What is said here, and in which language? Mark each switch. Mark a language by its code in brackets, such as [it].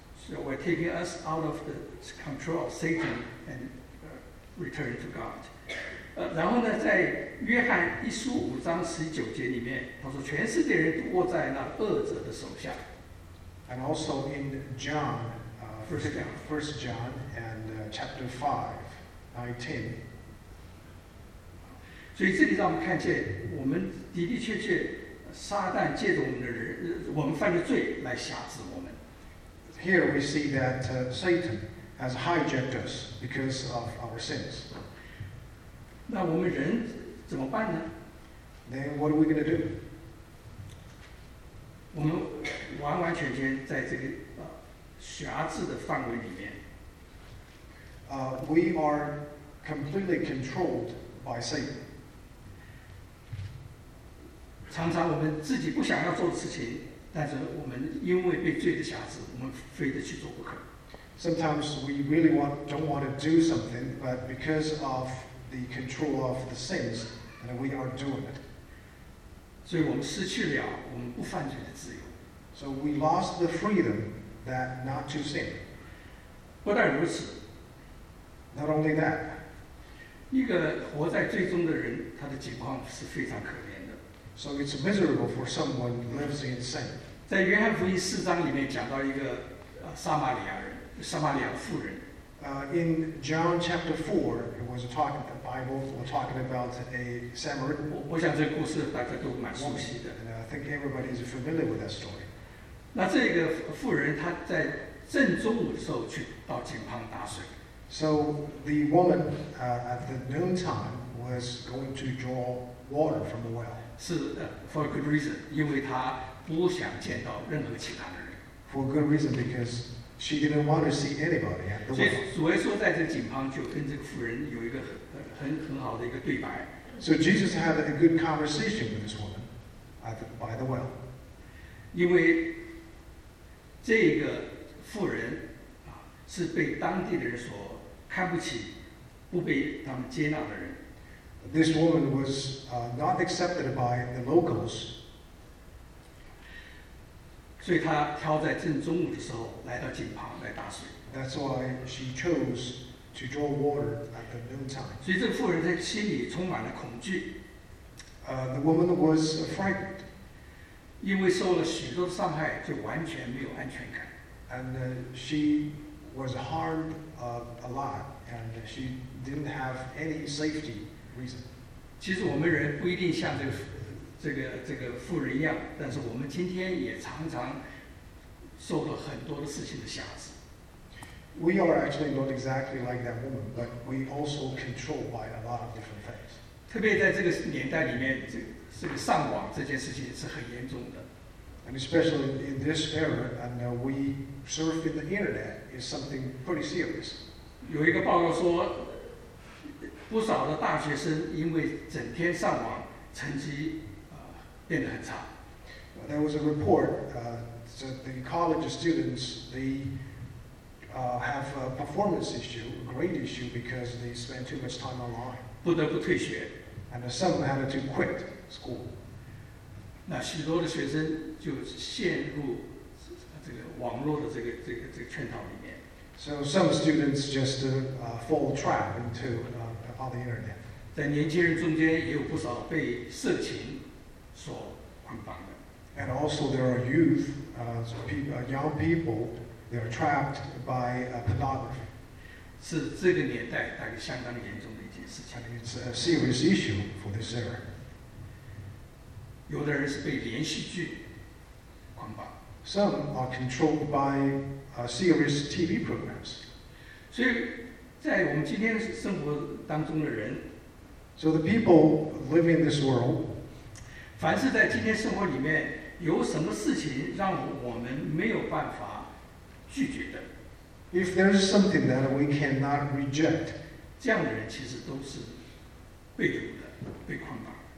[en] so we're taking us out of the control of Satan and return to God. [zh] 然后呢，在约翰一书五章十九节里面，他说全世界人都握在那恶者的手下。 [en] And also in John, First John and chapter 5:19. [zh] 所以这里让我们看见，我们的的确确，撒旦借着我们的人，我们犯的罪来辖制我们。 [en] Here we see that Satan has hijacked us because of our sins. [zh] 那我们人怎么办呢 [en] ？Then what are we going to do? [zh] 我们完完全全在这个辖制的范围里面。 [en] We are completely controlled by Satan. [zh] 常常我们自己不想要做的事情，但是我们因为被罪的辖制，我们非得去做不可。 [en] Sometimes we really don't want to do something, but because of the control of the sins, and we are doing it. [zh] 所以我们失去了我们不犯罪的自由。 [en] So we lost the freedom that not to sin. [zh] 不但如此 [en] ，Not only that. [zh] 一个活在罪中的人，他的情况是非常可怜。 [en] So it's miserable for someone who lives in sin. [zh] 在约翰福音四章里面讲到一个撒玛利亚人，撒玛利亚妇人。 [en] In John chapter 4, it was talking the Bible was talking about a Samaritan. [zh] 我想这个故事大家都蛮熟悉的。 [en] And I think everybody is familiar with that story. [zh] 那这个妇人她在正中午的时候去到井旁打水。 [en] So the woman at the noon time was going to draw water from the well. [zh] 是 [en] for a good reason, [zh] 因为她不想见到任何其他的人。 [en] For a good reason, because she didn't want to see anybody. [zh] 所以主耶稣在这个井旁就跟这个妇人有一个 很好的一个对白。 [en] So Jesus had a good conversation with this woman by the well. [zh] 因为这个妇人是被当地的人所看不起，不被他们接纳的人。 [en] This woman was not accepted by the locals. [zh] 所以她挑在正中午的时候来到井旁来打水。 [en] That's why she chose to draw water at the noontime. [zh] 所以这个妇人她心里充满了恐惧。 [en] The woman was frightened. [zh] 因为受了许多伤害，就完全没有安全感。 [en] And she was harmed a lot, and she didn't have any safety. [zh] 其实我们人不一定像这个妇人一样，但是我们今天也常常受了很多的事情的辖制。 [en] We are actually not exactly like that woman, but we also controlled by a lot of different things. [zh] 特别在这个年代里面，这个上网这件事情是很严重的。 [en] And especially in this era, and we surf in the internet is something pretty serious. [zh] 有一个报告说。不少的大学生因为整天上网，成绩变得很差。 [en] There was a report that the college students they have a performance issue, a grade issue, because they spend too much time online. [zh] 不得不退学。 [en] And some had to quit school. [zh] 那许多的学生就陷入这个网络的这个圈套里面。 [en] So some students just fall trap into on the internet. [zh] 在年轻人中间也有不少被色情所捆绑的。 [en] And also there are youth, young people, they are trapped by pornography. [zh] 是这个年代大概相当严重的一件事情。 [en] And it's a serious issue for this era. [zh] 有的人是被连续剧捆绑。 [en] Some are controlled by serious TV programs. [zh] 所以在我们今天生活当中的人 [en] So the people living in this world [zh] 凡是在今天生活里面有什么事情让我们没有办法拒绝的 [en] If there is something that we cannot reject [zh] 这样的人其实都是被捕的被捆绑